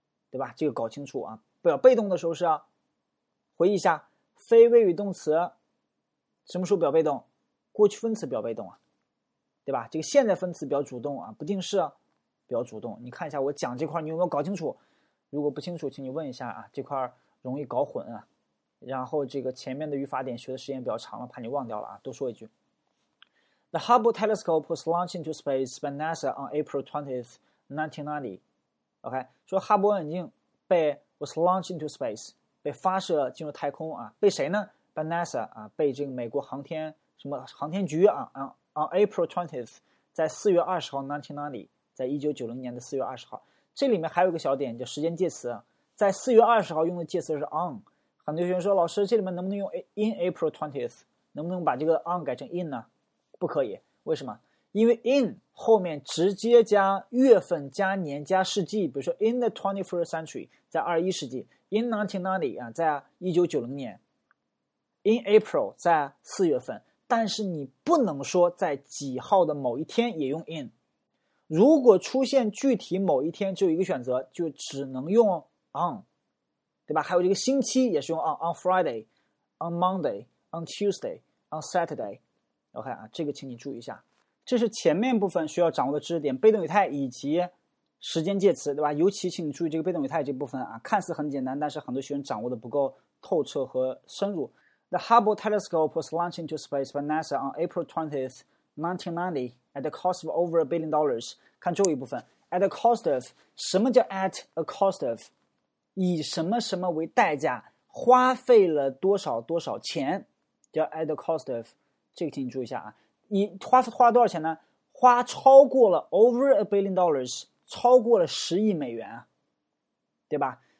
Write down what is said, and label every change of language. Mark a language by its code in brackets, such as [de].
[zh] 对吧，这个搞清楚啊，表被动的时候是回忆一下非谓语动词什么时候表被动，过去分词表被动啊，对吧，这个现在分词表主动啊，不定式表主动。你看一下我讲这块你有没有搞清楚，如果不清楚请你问一下啊，这块容易搞混啊，然后这个前面的语法点学的时间比较长了，怕你忘掉了啊，多说一句。 [en] The Hubble Telescope was launched into space by NASA on April 20th, 1990。 [zh] OK， 说哈勃望远镜被 [en] was launched into space， [zh] 被发射进入太空啊，被谁呢？被 NASA 啊，被这个美国航天什么航天局啊 ， [en] on April 20th， [zh] 在四月二十号 1990， 在1990年的四月二十号。这里面还有一个小点叫时间介词，在四月二十号用的介词是 on。很多学生说老师，这里面能不能用 [en] in April 20th？ [zh] 能不能把这个 on 改成 in 呢？不可以，为什么？因为 in 后面直接加月份加年加世纪，比如说 [en] in the 21st century [zh] 在21世纪， in 1990、在1990年， in April 在4月份，但是你不能说在几号的某一天也用 in， 如果出现具体某一天只有一个选择，就只能用 on， 对吧？还有这个星期也是用 [en] on Friday on Monday on Tuesday on Saturday。 [zh] OK，这个请你注意一下，这是前面部分需要掌握的知识点，被动语态以及时间介词，对吧？尤其请你注意这个被动语态这部分啊，看似很简单，但是很多学生掌握的不够透彻和深入。 [en] The Hubble Telescope was launched into space by NASA on April 20th, 1990 at the cost of over $1 billion. [zh] 看最后一部分 , [en] at a cost of, [zh] 什么叫 at a cost of? 以什么什么为代价，花费了多少多少钱，叫 [en] at a cost of, [zh] 这个请你注意一下啊。你花了多少钱呢？花超过了 [en] over $1 billion， [zh] 超过了10亿美元，对吧？